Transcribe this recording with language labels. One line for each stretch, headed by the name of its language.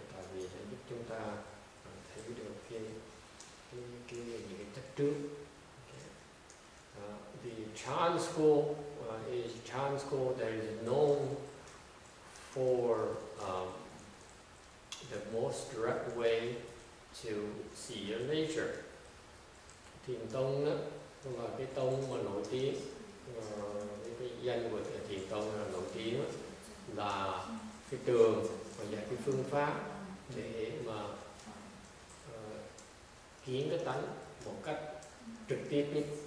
Vietnamese: Tại vì sẽ giúp chúng ta thấy được cái những cái chấp trước.
English: Okay. The Chan school is a Chan school that is known for the most direct way to see your nature.
Vietnamese: Thiền tông đó là cái tông mà nổi tiếng, cái danh của thiền tông là nổi tiếng là cái đường và dạy cái phương pháp để mà kiến cái tánh một cách trực tiếp nhất.